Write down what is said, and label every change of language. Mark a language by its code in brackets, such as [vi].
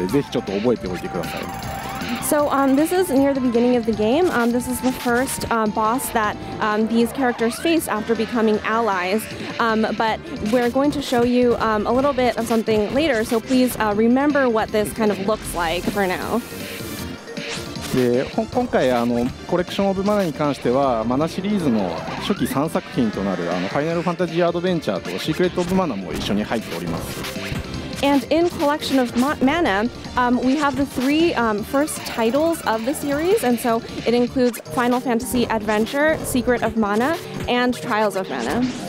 [ja] これは最初3人が仲間になった時に初めて戦うフルメタルハガーというボスなんですが、このあとリメイク版でも比較できると思うので、ぜひちょっと覚えておいてください。 [en] So this is near the beginning of the game. This is the first boss that these characters face after becoming allies. But we're going to show you a little bit of something later, so please remember what this kind of looks like for now. [ja] で、今回コレクションオブマナに関しては、マナシリーズの初期3作品となるファイナルファンタジーアドベンチャーとシークレットオブマナも一緒に入っております。 [en] And in Collection of Mana, we have the three first titles of the series, and so it includes Final Fantasy Adventure, Secret of Mana, and Trials of Mana.